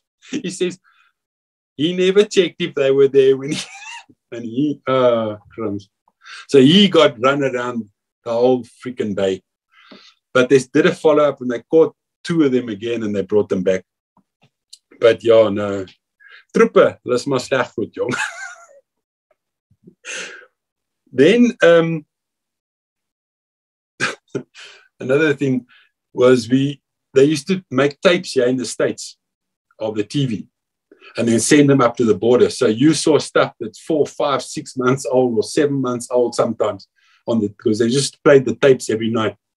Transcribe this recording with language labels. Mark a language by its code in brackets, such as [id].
[en] He says, he never checked if they were there when he... And he, crumbs. So he got run around the whole freaking day. But they did a follow-up and they caught two of them again and they brought them back. But yeah, no. [af] Troepe, dis maar sleg goed, jong. [en] Then another thing was they used to make tapes here in the States of the TV. And then send them up to the border. So you saw stuff that's 4, 5, 6 months old or 7 months old sometimes on the, because they just played the tapes every night.